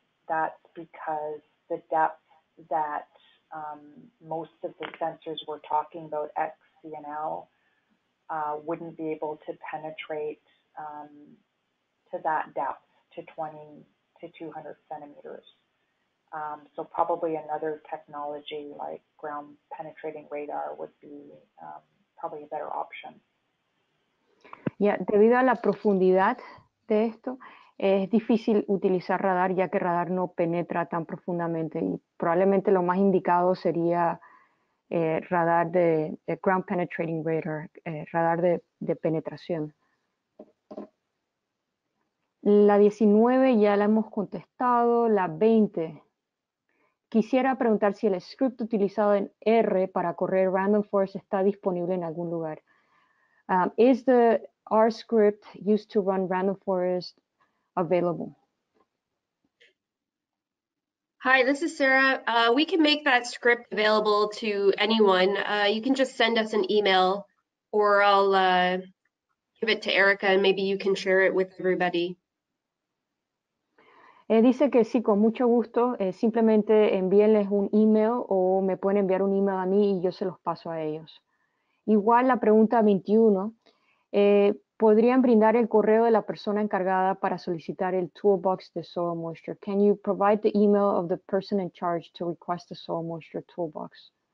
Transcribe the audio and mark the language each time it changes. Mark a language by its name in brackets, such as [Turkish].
[English] That's because the depth that most of the sensors were talking about, XCNL, wouldn't be able to penetrate to that depth, to 20 to 200 centimeters. So probably another technology like ground penetrating radar would be probably a better option. [Spanish] Yeah, debido a la profundidad de esto, es difícil utilizar radar ya que radar no penetra tan profundamente y probablemente lo más indicado sería radar de ground penetrating radar, radar de penetración. La 19 ya la hemos contestado, la 20. Quisiera preguntar si el script utilizado en R para correr random forest está disponible en algún lugar. [English] Is the R script used to run random forest available? Hi, this is Sarah. We can make that script available to anyone. You can just send us an email or I'll give it to Erica and maybe you can share it with everybody. [Spanish] Dice que sí, con mucho gusto. Simplemente envíenles un email o me pueden enviar un email a mí y yo se los paso a ellos. Igual la pregunta 21. ¿Podrían brindar el correo de la persona encargada para solicitar el toolbox de soil moisture? [English] Can you provide the email of the person in charge to request the soil moisture toolbox?